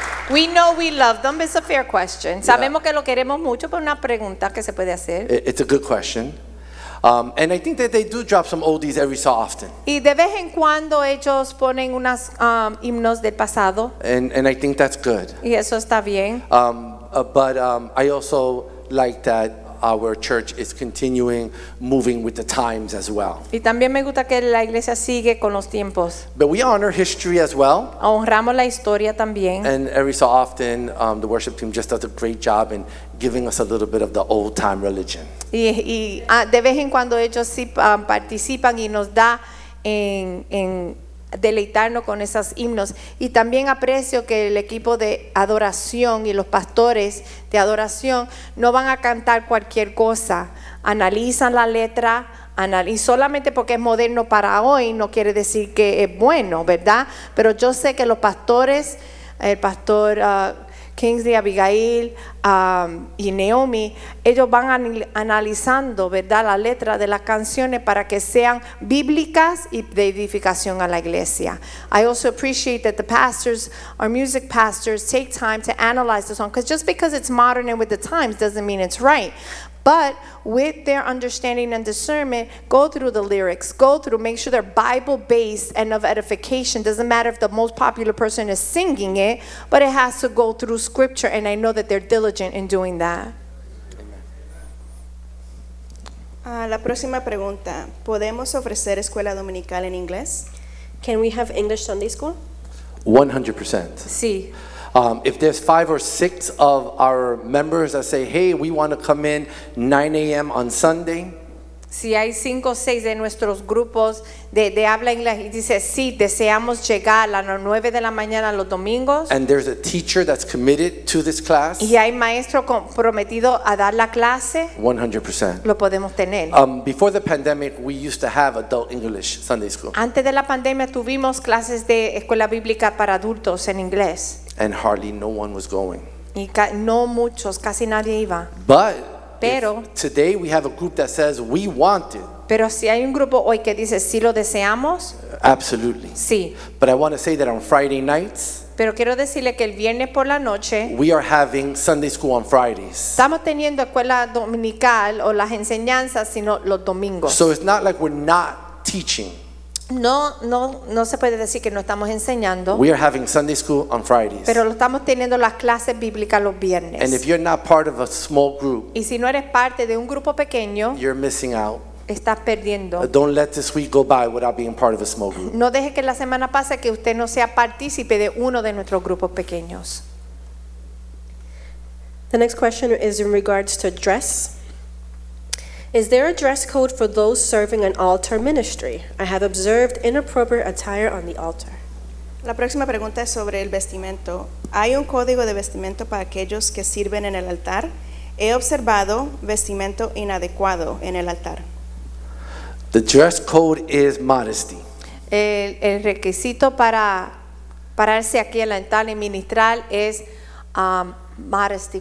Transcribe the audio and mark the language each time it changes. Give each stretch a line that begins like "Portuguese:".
English: We know we love them, but it's a fair question. Yeah.
Spanish: Sabemos que lo queremos mucho, pero una pregunta que se puede hacer.
English: It's a good question. And I think that they do drop some oldies every so often.
Spanish: Y de vez en cuando ellos ponen unas himnos del pasado.
English: And I think that's good.
Spanish: Y eso está bien.
English: But I also like that our church is continuing moving with the times as well.
Spanish: Y también me gusta que la iglesia sigue con los tiempos.
English: But we honor history as well.
Spanish: Honramos la historia también.
English: And every so often, the worship team just does a great job in giving us a little bit of the old time religion.
Spanish: Y de vez en cuando ellos sí participan y nos da en deleitarnos con esos himnos. Y también aprecio que el equipo de adoración y los pastores de adoración no van a cantar cualquier cosa. Analizan la letra, y solamente porque es moderno para hoy no quiere decir que es bueno, ¿verdad? Pero yo sé que los pastores, el pastor Kingsley, Abigail y Naomi, ellos van analizando, ¿verdad?, la letra de las canciones para que sean bíblicas y de edificación a la iglesia.
English: I also appreciate that the pastors, our music pastors, take time to analyze the song, because just because it's modern and with the times doesn't mean it's right. But with their understanding and discernment, go through the lyrics, go through, make sure they're Bible-based and of edification. Doesn't matter if the most popular person is singing it, but it has to go through scripture, and I know that they're diligent in doing that.
Spanish: La próxima pregunta, ¿podemos ofrecer escuela dominical en inglés?
English: Can we have English Sunday school? 100%.
Spanish: Sí.
English: If there's 5 or 6 of our members that say, hey, we want to come in 9 a.m. on Sunday.
Spanish: Si hay 5 o 6 de nuestros grupos de habla inglés y dice, sí, deseamos llegar a las 9 de la mañana los domingos.
English: And there's a teacher that's committed to this class.
Spanish: Y hay maestro comprometido a dar la clase.
English: 100%.
Spanish: Lo podemos tener.
English: Before the pandemic, we used to have adult English Sunday school.
Spanish: Antes de la pandemia tuvimos clases de escuela bíblica para adultos en inglés.
English: And hardly no one was going.
Spanish: Y no muchos, casi nadie iba.
English: But
Spanish: pero,
English: today we have a group that says we want it.
Spanish: Pero si hay un grupo hoy que dice si lo deseamos.
English: Absolutely.
Spanish: Sí.
English: But I want to say that on Friday nights.
Spanish: Pero quiero decirle que el viernes por la noche.
English: We are having Sunday school on Fridays.
Spanish: Estamos teniendo escuela dominical o las enseñanzas sino los domingos.
English: So it's not like we're not teaching.
Spanish: No se puede decir que no estamos enseñando.
English: We are having Sunday school on Fridays.
Spanish: Pero lo estamos teniendo las clases bíblicas los viernes.
English: And if you're not part of a small group,
Spanish: y si no eres parte de un grupo pequeño,
English: you're missing out.
Spanish: Estás perdiendo.
English: Don't let this week go by without being part of a small group.
Spanish: No deje que la semana pase que usted no sea partícipe de uno de nuestros grupos pequeños.
English: The next question is in regards to dress. Is there a dress code for those serving an altar ministry? I have observed inappropriate attire on the altar.
Spanish: La próxima pregunta es sobre el vestimento. ¿Hay un código de vestimento para aquellos que sirven en el altar? He observado vestimento inadecuado en el altar.
English: The dress code is modesty.
Spanish: El requisito para pararse aquí en el altar y ministrar es modesty.